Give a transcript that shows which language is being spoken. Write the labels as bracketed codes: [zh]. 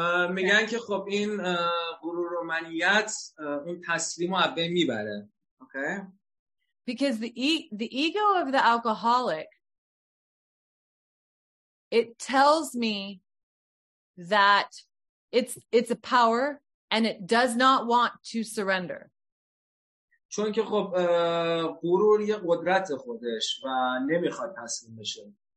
[fa] میگن که خب این غرور و منیت اون تسلیم رو عبه میبره. [en] Okay. Because the ego of the alcoholic, it tells me that it's a power and it does not want to surrender. [fa] چون که خب غرور یه قدرت خودش و نمیخواد تسلیم بشه.